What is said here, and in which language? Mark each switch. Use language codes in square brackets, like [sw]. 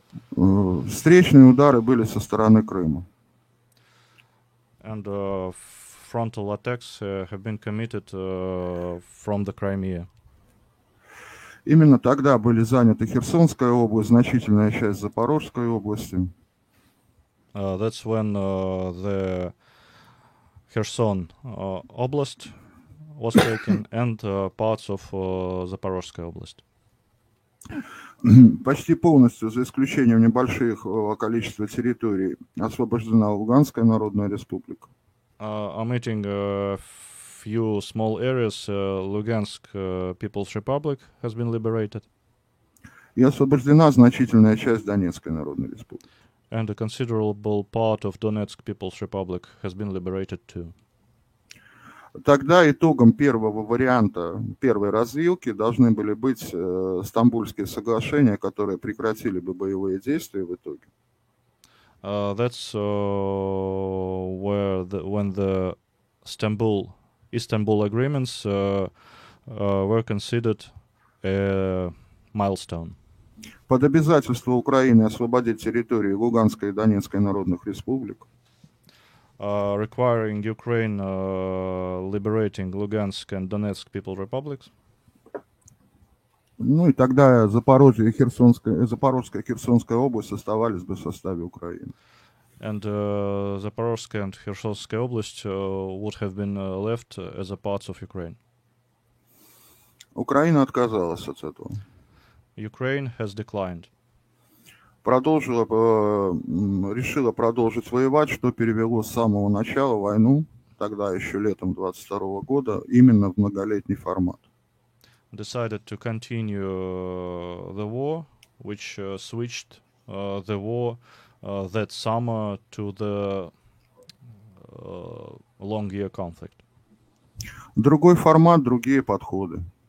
[ru] Встречные удары были со стороны Крыма. [en] And frontal attacks have been committed from the Crimea. [ru] Именно тогда были заняты Херсонская область, значительная часть Запорожской области. [en] That's when the Kherson oblast was taken and parts of Запорожская область. [ru] Почти полностью, за исключением небольших количества территорий, освобождена Луганская Народная Республика. [en] Omitting a few small areas, Lugansk People's Republic has been liberated. [ru] И освобождена значительная часть Донецкой Народной Республики. [en] And a considerable part of Donetsk People's Republic has been liberated too. [ru] Тогда итогом первого варианта, первой развилки, должны были быть Стамбульские соглашения, которые прекратили бы боевые действия в итоге. [en] That's where the, when the Istanbul agreements were considered a milestone. [ru] Под обязательство Украины освободить территории Луганской и Донецкой народных республик. [en] Requiring Ukraine liberating Lugansk and Donetsk People Republics. [ru] Ну и тогда Запорожье и Херсонская, Запорожская и Херсонская область оставались бы в составе Украины. [en] And Zaporozhska and Kherson oblast would have been left as a part of Ukraine. [ru] Украина отказалась от этого. [en] Ukraine has declined. [ru] Продолжила, решила продолжить воевать, что перевело с самого начала войну, тогда еще летом 22 года, именно в многолетний формат. [en] Decided to continue the war, which switched the war that summer to the long year conflict. [ru] Другой формат, другие подходы.